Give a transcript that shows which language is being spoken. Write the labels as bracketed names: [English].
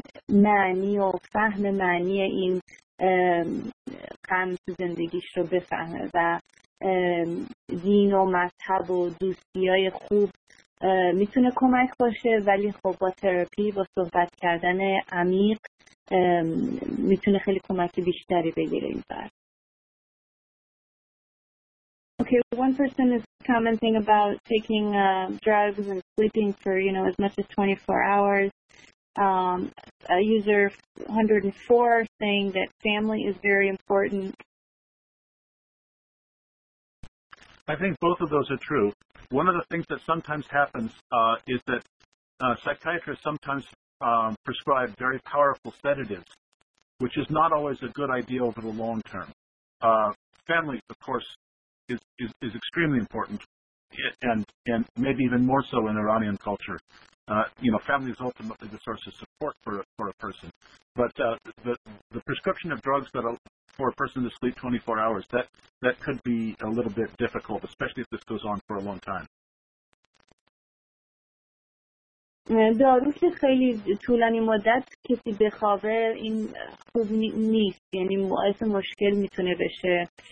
[Persian] معنی و فهم معنی این قم تو زندگیش رو بفهمه و دین و مذهب و دوستی های خوب میتونه کمک باشه، ولی خب با تراپی، با صحبت کردن عمیق میتونه خیلی کمک بیشتری بگیره این فرد. [English] Okay, one person is commenting about taking drugs and sleeping for, you know, as much as 24 hours. A user 104 saying that family is very important. I think both of those are true. One of the things that sometimes happens is that psychiatrists sometimes prescribe very powerful sedatives, which is not always a good idea over the long term. Family, of course, is extremely important, and maybe even more so in Iranian culture. You know, family is ultimately the source of support for a person. But the prescription of drugs that for a person to sleep 24 hours, that could be a little bit difficult, especially if this goes on for a long time. [Persian] دارو که خیلی طولانی مدت کسی بخوابه، این خوب نیست، یعنی باعث مشکل میتونه بشه.